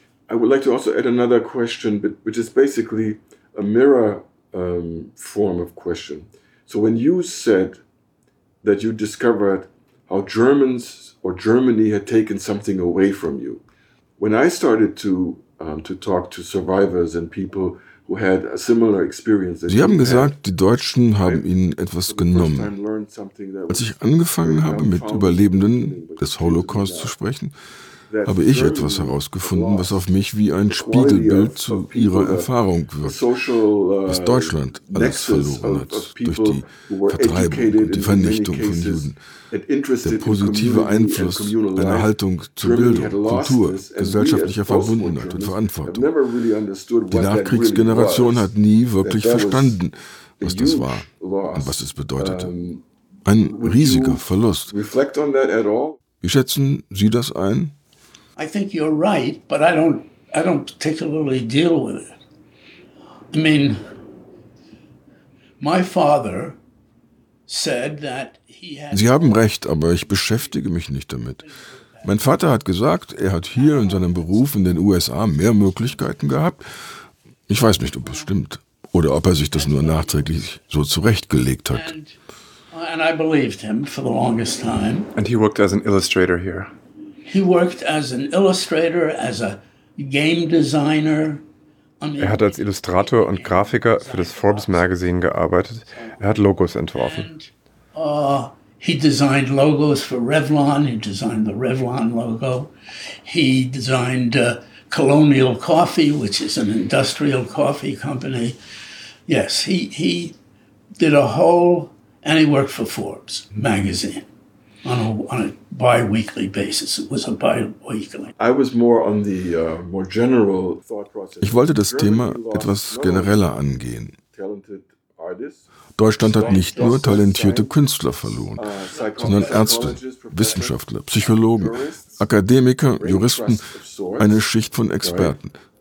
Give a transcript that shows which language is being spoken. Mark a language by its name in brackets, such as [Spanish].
[English] I would like to also add another question, which is basically a mirror form of question. So when you said that you discovered how Germans or Germany had taken something away from you. When I started to talk to survivors and people who had a similar experience. [German] Sie haben gesagt, die Deutschen haben ihnen etwas genommen. Als ich angefangen habe, mit Überlebenden des Holocaust zu sprechen, habe ich etwas herausgefunden, was auf mich wie ein Spiegelbild zu ihrer Erfahrung wirkt, was Deutschland alles verloren hat durch die Vertreibung und die Vernichtung von Juden. Der positive Einfluss einer Haltung zu Bildung, Kultur, gesellschaftlicher Verbundenheit und Verantwortung. Die Nachkriegsgeneration hat nie wirklich verstanden, was das war und was es bedeutete. Ein riesiger Verlust. Wie schätzen Sie das ein? [English] I think you're right, but I don't particularly deal with it. I mean, my father said that he had. [German] Sie haben recht, aber ich beschäftige mich nicht damit. Mein Vater hat gesagt, er hat hier in seinem Beruf in den USA mehr Möglichkeiten gehabt, Ich weiß nicht, ob es stimmt oder ob er sich das nur nachträglich so zurechtgelegt hat. [English] And I believed him for the longest time. And he worked as an illustrator here. He worked as an illustrator, as a game designer. [German] Er hat als Illustrator und Grafiker für das Forbes Magazine gearbeitet. Er hat Logos entworfen. [English] And, he designed logos for Revlon. He designed the Revlon logo. He designed Colonial Coffee, which is an industrial coffee company. Yes, he did a whole, and he worked for Forbes magazine on a bi-weekly basis. It was a bi-weekly. I was more on the more general thought process. [German] Ich wollte das Thema etwas genereller angehen. Deutschland hat nicht nur talentierte Künstler verloren, sondern Ärzte, Wissenschaftler, Psychologen, Akademiker, Juristen, eine Schicht von Experten.